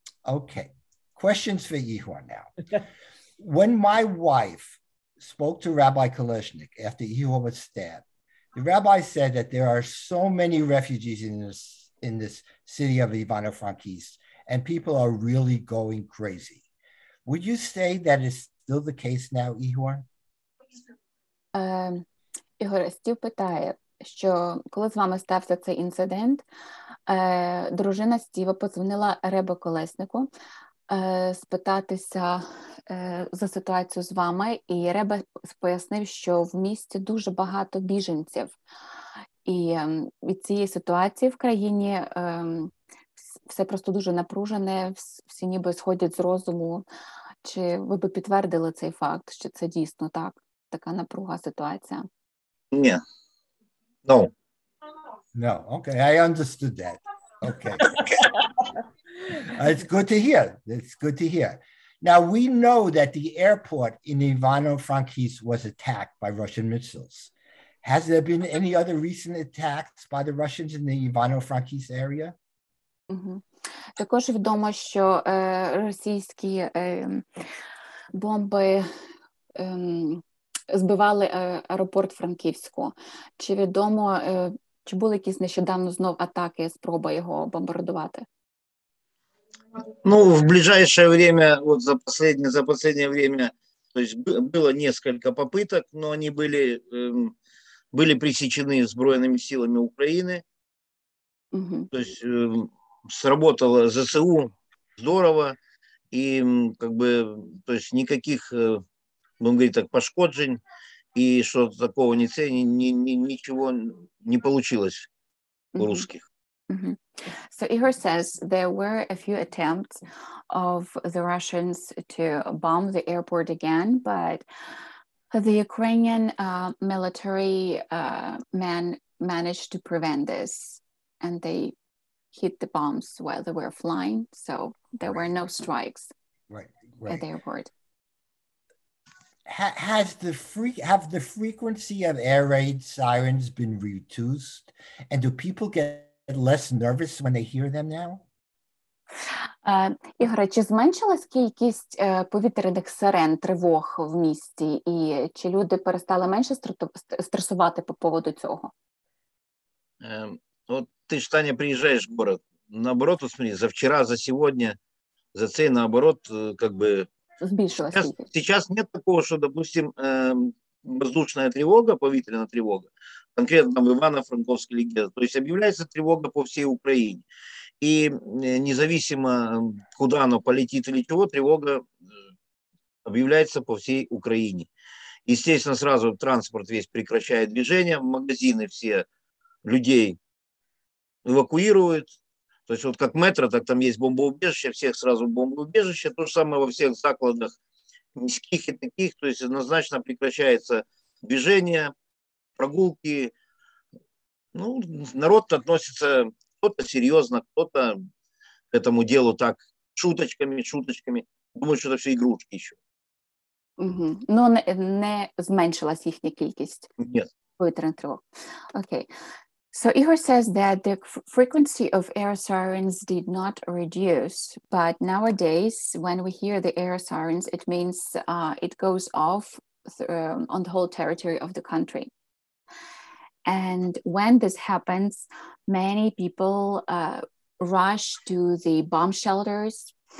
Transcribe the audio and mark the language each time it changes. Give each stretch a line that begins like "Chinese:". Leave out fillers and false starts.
English: Okay, questions for Ihor now. When my wife spoke to Rabbi Kolesnik after Ihor was stabbed, the rabbi said that there are so many refugees in this city of Ivano-Frankivsk, and people are really going crazy. Would you say that is still the case now, Ihor?
Ukrainian: Ігор, Стів питає, що коли з вами стався цей інцидент, дружина Стіва подзвонила Ребе Колеснику спитатися за ситуацію з вами, і Ребе пояснив, що в місті дуже багато біженців, і від цієї ситуації в країні все просто дуже напружене, всі ніби сходять з розуму. Чи ви би підтвердили цей факт, що це дійсно так, така напруга ситуація?
English: Yeah. No. No. Okay. I understood that. Okay. It's good to hear. It's good to hear. Now, we know that the airport in Ivano-Frankivsk was attacked by Russian missiles. Has there been any other recent attacks by the Russians in the Ivano-Frankivsk area? Mm-hmm.
Ukrainian: Також відомо, що російські бомби збивали аеропорт Франківську. Чи відомо, чи були якісь нещодавно знов атаки, спроба його бомбардувати?
Russian: Ну, в ближайше время, от за последнее время, то есть было несколько попыток, но они были пресечены
Ukrainian: збройними силами України. Угу.
Russian: То есть сработало ЗСУ здорово і как бы, то есть никаких, будем говорить так, пошкоджень и что-то такого ничего не получилось у русских.
English: So Igor says there were a few attempts of the Russians to bomb the airport again, but the Ukrainian military men managed to prevent this, and they hit the bombs while they were flying, so there were no strikes at the airport. Have the frequency of air raid sirens been reduced, and do people get less nervous when they hear them now?
Ukrainian: Ігоре, чи зменшилась кількість повітряних сирен тривог в місті, і чи люди перестали менше стресувати по поводу цього? От ти ж, Таня, приїжджаєш в город.
Russian: Наоборот, усмотри, за вчора, за сьогодні, за цей наоборот, как бы сейчас нет такого, что, допустим, воздушная тревога, повітряная тревога, конкретно в Ивано-Франковске или где-то. То есть объявляется тревога по всей Украине. И независимо, куда оно полетит или чего, тревога объявляется по всей Украине. Естественно, сразу транспорт весь прекращает движение, магазины все людей эвакуируют. То есть вот как метро, так там есть бомбоубежище, всех сразу бомбоубежище. То же самое во всех закладах низких и таких. То есть однозначно прекращается движение, прогулки. Ну, народ относится, кто-то серьезно, кто-то к этому делу так шуточками. Думаю, что это все игрушки еще.
Ukrainian: Но не зменшилась их кількість?
Russian: Нет. Окей.
English: So Igor says that the frequency of air sirens did not reduce, but nowadays when we hear the air sirens, it means it goes off on the whole territory of the country. And when this happens, many people rush to the bomb shelters.